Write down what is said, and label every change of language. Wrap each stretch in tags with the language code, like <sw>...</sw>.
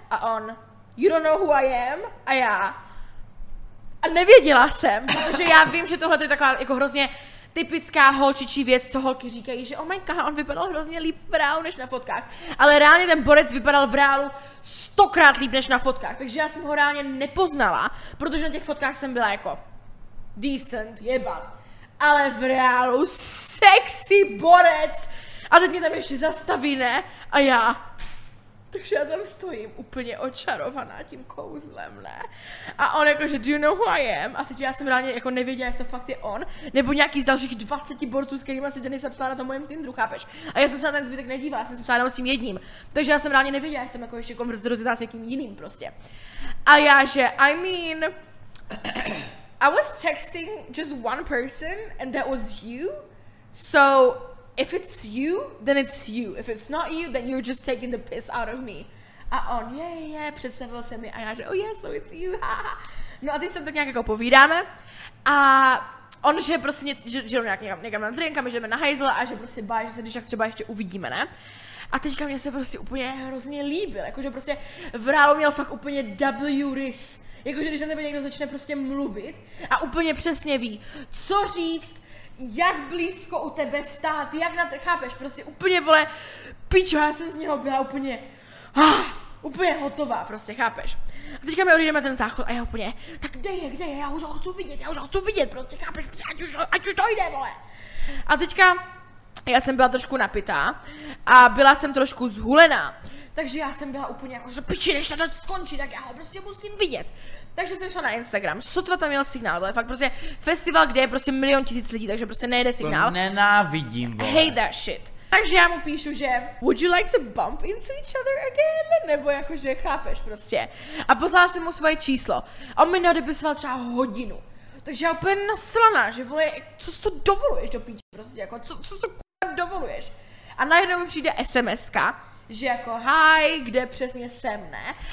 <cs>A on</cs> <en>you don't know who I am?</en> <cs>A já a nevěděla jsem, protože já vím, že tohle je taková jako hrozně typická holčičí věc, co holky říkají, že</cs> <en>oh my god,</en> <cs>on vypadal hrozně líp v reálu než na fotkách. Ale reálně ten borec vypadal v reálu 100x líp než na fotkách, takže já jsem ho reálně nepoznala, protože na těch fotkách jsem byla jako decent, jebat. Ale v reálu sexy borec a teď mě tam ještě zastaví, ne? A já... Takže já tam stojím úplně očarovaná tím kouzlem, ne? A on jakože,</cs> <en>do you know who I am?</en> <cs>A teď já jsem reálně jako nevěděla, jestli to fakt je on, nebo nějaký z dalších 20 borců, s kterýma si Denisa psala na tom mojem Tinderu, chápeš? A já jsem se na ten zbytek nedívala, jsem se psala jenom s tím jedním. Takže já jsem reálně nevěděla, jestli jsem jako ještě konverzi rozjetá s někým jiným prostě. A já že,</cs> <en>I mean, I was texting just one person and that was you, so... If it's you, then it's you. If it's not you, then you're just taking the piss out of me.</en> <cs>A on, yeah, představil se mi a já, že</cs> <en>oh yeah, so it's you, haha.</en> <cs>No a teď jsem tak nějak jako povídáme a on, že prostě, že jdeme nějak někam na drink a my jdeme na hajzle a že prostě bá, že se když tak třeba ještě uvidíme, ne? A teďka mě se prostě úplně hrozně líbil, jakože prostě v reálu měl fakt úplně W rys. Jakože když na tebe někdo začne prostě mluvit a úplně přesně ví, co říct, jak blízko u tebe stát, jak na to, chápeš, prostě úplně vole, pičo, já jsem z něho byla úplně, úplně hotová, prostě, chápeš. A teďka my odjedeme ten záchod a já úplně, tak kde je, já už ho chci vidět, prostě, chápeš, ať už to jde, vole. A teďka, já jsem byla trošku napitá a byla jsem trošku zhulená, takže já jsem byla úplně jako, že piči, než to skončí, tak já ho prostě musím vidět. Takže jsem šla na Instagram. Sotva tam měl signál, ale fakt prostě festival, kde je prostě milion tisíc lidí, takže prostě nejde signál. To nenávidím, vole.</cs> <en>Hate that shit.</en> <cs>Takže já mu píšu, že</cs> <en>would you like to bump into each other again?</en> <cs>Nebo jakože chápeš prostě. A poslala jsem mu svoje číslo. A on mi neodepisoval třeba hodinu. Takže já úplně naslaná, že vole, co si to dovoluješ do píči prostě, jako co to k***a dovoluješ? A najednou mi přijde SMSka, že jako hi, kde přesně jsem, ne?</cs>